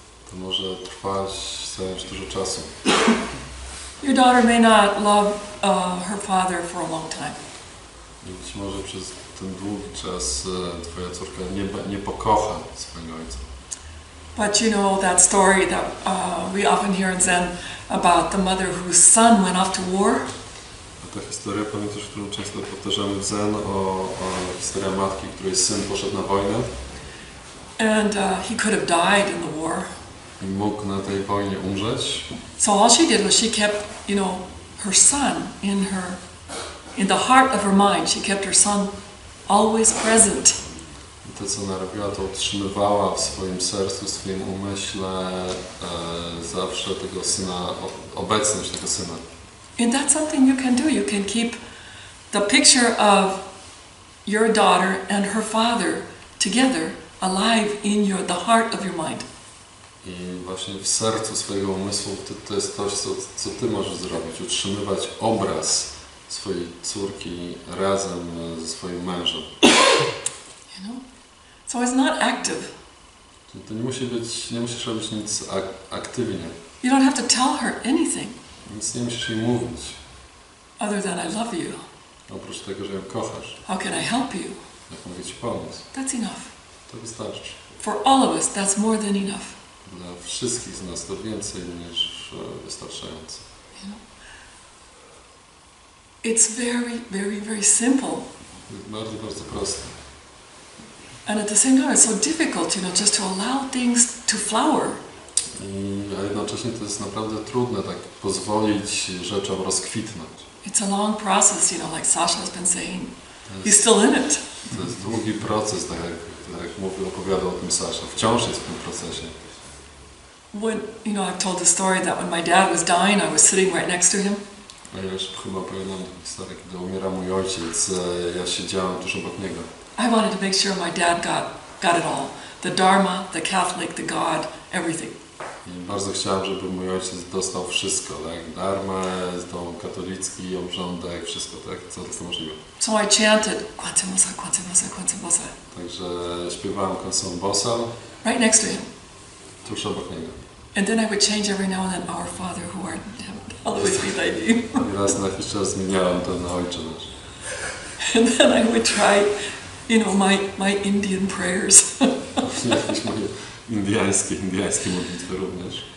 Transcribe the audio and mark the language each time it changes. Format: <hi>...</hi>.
<pl>To może trwać zająć dużo czasu.</pl> <en>Your daughter may not love her father for a long time.</en> <pl>Być może przez ten długi czas twoja córka nie pokocha swojego ojca.</pl> <en>But you know that story that we often hear in Zen about the mother whose son went off to war?</en> <pl>A ta historia, pamiętasz, którą często powtarzamy w Zen, o historii matki, której syn poszedł na wojnę?</pl> <en>And he could have died in the war.</en> <pl>I mógł na tej wojnie umrzeć.</pl> <en>So all she did was she kept, you know, her son in the heart of her mind. She kept her son always present.</en> <pl>I to, co ona robiła, to utrzymywała w swoim sercu, w swoim umyśle zawsze tego syna, obecność tego syna.</pl> <en>And that's something you can do. You can keep the picture of your daughter and her father together, alive in your the heart of your mind.</en> <pl>I właśnie w sercu swojego umysłu to jest coś, co ty możesz zrobić, utrzymywać obraz swojej córki razem ze swoim mężem.</pl> <en>You know? So it's not active.</en> <pl>To nie musi być, nie musisz robić nic aktywnie.</pl> <en>You don't have to tell her anything.</en> <pl>Nic nie musisz jej mówić.</pl> <en>Other than I love you.</en> <pl>Oprócz tego, że ją kochasz.</pl> <en>How can I help you?</en> <pl>Jak mogę ci pomóc?</pl> <en>That's enough.</en> <pl>To wystarczy.</pl> <en>For all of us, that's more than enough.</en> <pl>Dla wszystkich z nas to więcej niż wystarczające.</pl> <en>You know? It's very, very, very simple.</en> <pl>Bardzo, bardzo proste.</pl> <en>And at the same time, it's so difficult, you know, just to allow things to flower.</en> <pl>A jednocześnie to jest naprawdę trudne, tak pozwolić rzeczom rozkwitnąć.</pl> <en>It's a long process, you know, like Sasha has been saying. He's still in it.</en> <pl>To jest długi proces, tak jak mówił, opowiadał o tym Sasza. Wciąż jest w tym procesie.</pl> <en>When, you know, I've told the story that when my dad was dying, I was sitting right next to him.</en> <pl>A ja już chyba opowiadam tę historię, kiedy umiera mój ojciec, ja siedziałem tuż obok niego.</pl> <en>I wanted to make sure my dad got it all. The Dharma, the Catholic, the God, everything.</en> <pl>I bardzo chciałem, żeby mój ojciec dostał wszystko, tak? Dharma, dom katolicki, obrządek, wszystko, tak? Co to możliwe.</pl> <en>So I chanted, Kwanzaa Bosa, Kwanzaa Bosa, Kwanzaa Bosa.</en> <pl>Także śpiewałem Kwanzaa Bosa.</pl> <en>Right next to him.</en> <pl>Tuż obok niego.</pl> <en>And then I would change every now and then, Our Father who art in heaven, hallowed be thy name.</en> <pl>I raz na jakiś czas zmieniałem to na Ojcze Nasz.</pl> <en>And then I would try, you know, my Indian prayers.</en> <pl>Indiańskie modlitwy również.</pl>